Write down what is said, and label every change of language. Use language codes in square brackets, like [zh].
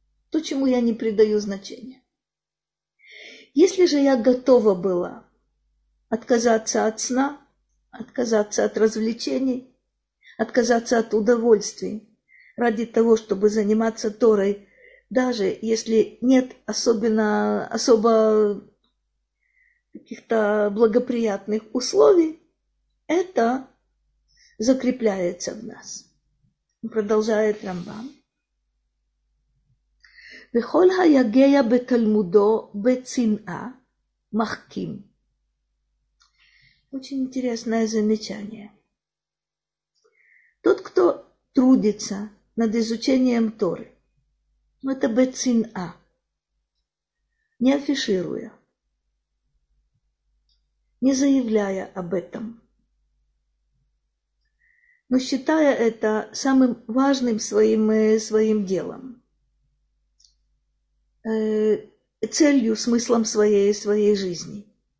[ru] То, чему я не придаю значения. Если же я готова была отказаться от сна, отказаться от развлечений, отказаться от удовольствий ради того, чтобы заниматься Торой, даже если нет особо каких-то благоприятных условий, это закрепляется в нас. Продолжает Рамбам. [he] וכל היגע בתלמודו בצנאה מחכים. [ru] Очень интересное замечание. Тот, кто трудится над изучением Торы, это бецинаа, не афишируя, не заявляя об этом, но считая это самым важным своим делом, целью, смыслом своей жизни.